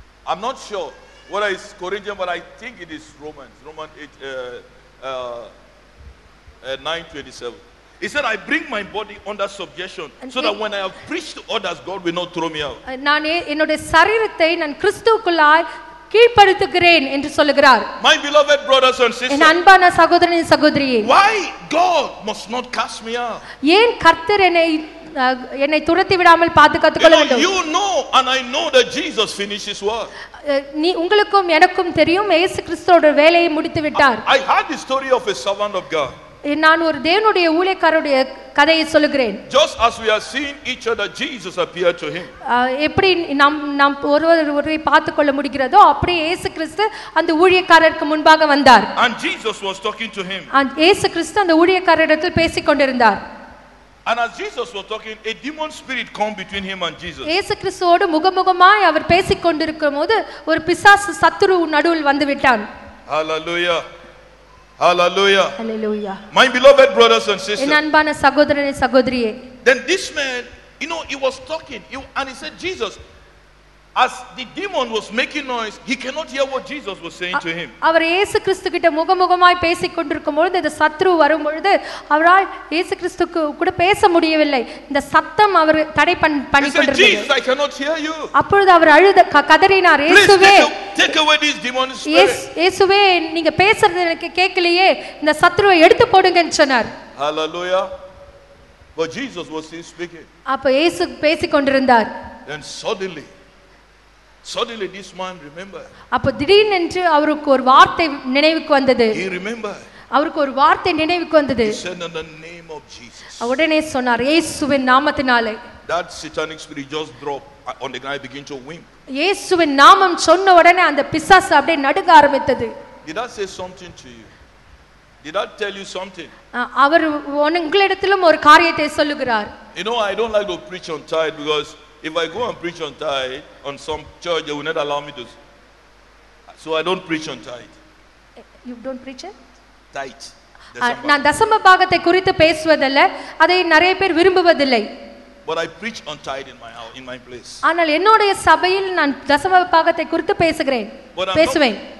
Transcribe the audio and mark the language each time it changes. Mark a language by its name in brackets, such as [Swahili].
[English] I'm not sure what is Corinthian, but I think it is Romans 9:27. He said, I bring my body under subjection so that when I have preached to others, God will not throw me out. [Tamil] நானே என்னோட சரீரத்தை நான் கிறிஸ்துவுக்குள்ளாய் கீழ்ப்படுத்துகிறேன் என்று சொல்கிறார். [English] My beloved brothers and sisters. [Tamil] என் அன்பான சகோதரனின் சகோதரியே. [English] Why God must not cast me out? [Tamil] ஏன் கர்த்தர் என்னை என்னை துரத்தி விடாமல் பாதுகாத்துக்கொள்ள வேண்டும். [English] You know and I know that Jesus finishes work. [Tamil] நீ உங்களுக்கும் எனக்கும் தெரியும் இயேசு கிறிஸ்துவோட வேலையை முடித்து விட்டார். [English] I heard the story of a servant of God. [Tamil] நான் ஒரு தேவனுடைய ஊழியக்காரருடைய கதையை சொல்கிறேன். [English] Just as we are seeing each other, Jesus appeared to him. [Tamil] எப்படி நாம் ஒருவரை பார்த்துக்கொள்ள முடிகிறதோ அப்படியே இயேசு கிறிஸ்து அந்த ஊழியக்காரருக்கு முன்பாக வந்தார். [English] And Jesus was talking to him. [Tamil] அந்த இயேசு கிறிஸ்து அந்த ஊழியக்காரரிடத்தில் பேசிக்கொண்டிருந்தார். [English] And as Jesus was talking, a demon spirit came between him and Jesus. [Tamil] இயேசு கிறிஸ்துவோடு முகமுகமாய் அவர் பேசிக்கொண்டிருக்கும்போது ஒரு பிசாசு சத்துரு நடுவில் வந்து விட்டான். [English] Hallelujah. Hallelujah. Hallelujah. My beloved brothers and sisters. [Tamil] என் அன்பான சகோதரனே சகோதரியே. [English] Then this man, you know, he was talking, and he said, Jesus, as the demon was making noise, he cannot hear what Jesus was saying to him. [Tamil] அவர் இயேசு கிறிஸ்து கிட்ட முகமுகமாய் பேசிக்கொண்டிருக்கும்போது இந்த சத்ரு வரும் பொழுது அவரால் இயேசு கிறிஸ்துக்கு கூட பேச முடியவில்லை. இந்த சத்தம் அவர் தடை பண்ணிக்கொண்டிருந்தது. [English] Jesus, I cannot hear you. [Tamil] அப்பொழுது அவர் அழுது கதறினார். இயேசுவே, [English] take away this demon spirit. [Tamil] இயேசுவே, நீங்க பேசுறது எனக்கு கேட்கலையே, இந்த சத்ருவை எடுத்து போடுங்க சொன்னார். [English] Hallelujah. But Jesus was still speaking. [Tamil] அப்ப இயேசு பேசிக்கொண்டிருந்தார். [English] Then suddenly this man remember. [Tamil] அப்போ திடீர்னு என்று அவருக்கு ஒரு வார்த்தை நினைவுக்கு வந்தது. [English] He remember. [Tamil] அவருக்கு ஒரு வார்த்தை நினைவுக்கு வந்தது. [English] He said in the name of Jesus. [Tamil] அவுடனே சொன்னார் இயேசுவின் நாமத்தினாலே. [English] That satanic spirit just dropped on the guy, begin to wimp. [Tamil] இயேசுவின் நாமம் சொன்ன உடனே அந்த பிசாசு அப்படியே நடுங்க ஆரம்பித்தது. [English] Did that say something to you? Did that tell you something? [Tamil] அவர் உங்களிடத்திலும் ஒரு காரியத்தை சொல்லுகிறார். [English] You know, I don't like to preach on tithe because if I go and preach on tithe on some church, they will not allow me to So I don't preach on tithe. You don't preach it? Tithe. [Tamil] நான் தசம பாகத்தை குறித்து பேசுவதில்லை, அதை நிறைய பேர் விரும்புவதில்லை. [English] But I preach on tithe in my place. [Tamil] ஆனால் என்னுடைய சபையில் நான் தசம பாகத்தை குறித்து பேசுகிறேன், பேசுவேன்.